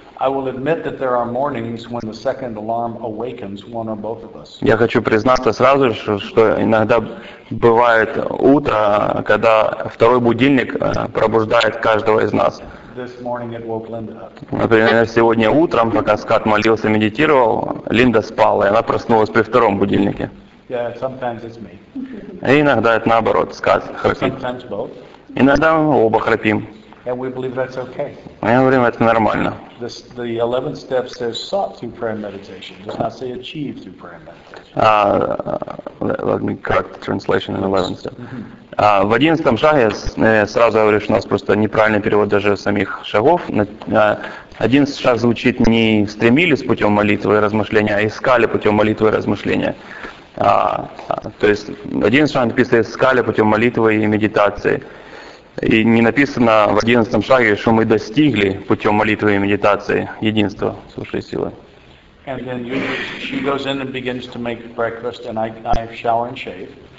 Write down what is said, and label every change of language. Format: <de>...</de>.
<en>I will admit that there are mornings when the second alarm awakens one or both of us.</en> <ru>Я хочу признаться сразу, что иногда бывает утро, когда второй будильник пробуждает каждого из нас.</ru> <en>This morning it woke Linda up.</en> <ru>Например, сегодня утром, пока Скотт молился, медитировал, Линда спала, и она проснулась при втором будильнике.</ru> <en>Yeah, sometimes it's me.</en> <ru>И иногда это наоборот, Скотт храпит.</ru> <en>Sometimes both.</en> <ru>Иногда мы оба храпим.</ru> <en>And we believe that's okay.</en> <ru>Мы говорим, это нормально.</ru> <en>The 11th step says sought through prayer and meditation. Does not say achieved through prayer and meditation. Let me correct the translation in 11th step. Mm-hmm.</en> <ru>В 11-м шаге, сразу говорю, что у нас просто неправильный перевод даже самих шагов. 11-й шаг звучит не стремились путем молитвы и размышления, а искали путем молитвы и размышления. То есть 11-й шаг написано искали путем молитвы и медитации. И не написано в 11-м шаге, что мы достигли путем молитвы и медитации единства с высшей силой.</ru> <en>And then she goes in and begins to make breakfast, and I shower and shave.</en>